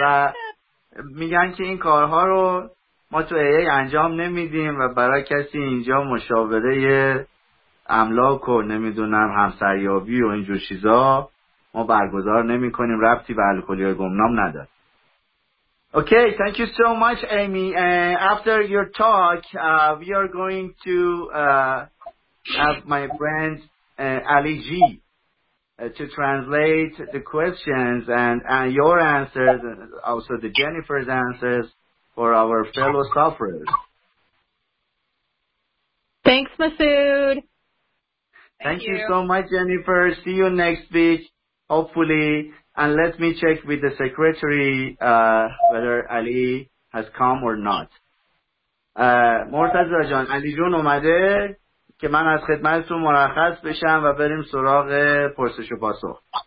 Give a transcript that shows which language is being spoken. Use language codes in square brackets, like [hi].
[fa] و میگن که این کارها رو ما تو AA انجام نمیدیم و برای کسی اینجا مشاوره املاک و نمیدونم همسریابی و اینجور چیزا ما برگزار نمی کنیم، ربطی به الکلی‌های گمنام نداره. [en] Okay, thank you so much, Amy. After your talk, we are going to have my friend Ali G to translate the questions and your answers and also the Jennifer's answers for our fellow sufferers. Thanks, Masood. Thank you so much, Jennifer. See you next week, hopefully. And let me check with the secretary whether Ali has come or not. [fa] مرتضی جان، علی جون اومده که من از خدمتتون مرخص بشم و بریم سراغ پرسش و پاسخ.